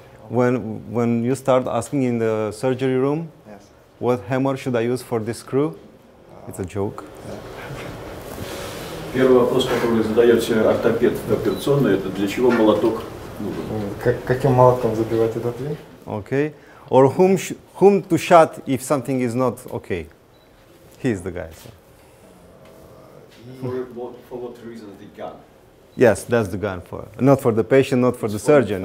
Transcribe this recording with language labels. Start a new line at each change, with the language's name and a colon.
English: When you start asking in the surgery room, yes, what hammer should I use for this crew? It's a joke.
Russian: Первый вопрос, который задает себе ортопед в операционной, это для чего молоток нужен? Каким молотком забивать этот дверь?
English: Okay, or whom to shut if something is not okay? He's the guy. So. For what reason the gun? Yes, that's the gun for not for the patient, not for the surgeon.